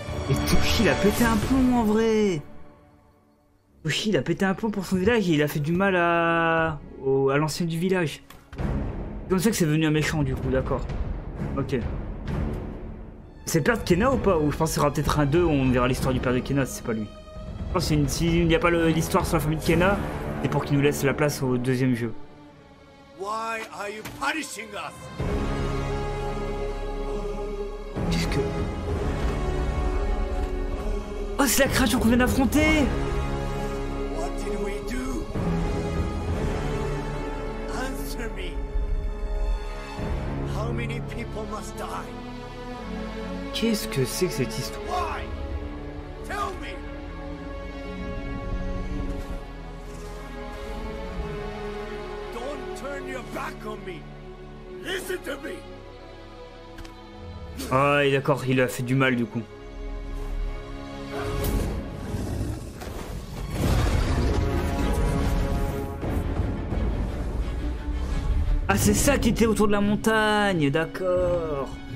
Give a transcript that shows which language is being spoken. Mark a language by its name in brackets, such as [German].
[French] Et Toshi il a pété un plomb en vrai. Toshi il a pété un plomb pour son village et il a fait du mal à l'ancien du village. C'est comme ça que c'est venu un méchant du coup, d'accord. Ok. C'est le père de Kena ou pas? Ou je pense qu'il y aura peut-être un 2 où on verra l'histoire du père de Kena si c'est pas lui. Je pense que s'il n'y a pas l'histoire sur la famille de Kena, c'est pour qu'il nous laisse la place au deuxième jeu. [English] Why are you punishing us? [French] Qu'est-ce que... Oh, c'est la créature qu'on vient d'affronter! [English] What did we do? Answer me. How many people must die? [French] Qu'est-ce que c'est que cette histoire? [English] Why? Tell me. Don't turn your back on me. Listen to me. [French] Ah, oh, d'accord, il a fait du mal du coup. Ah, c'est ça qui était autour de la montagne, d'accord.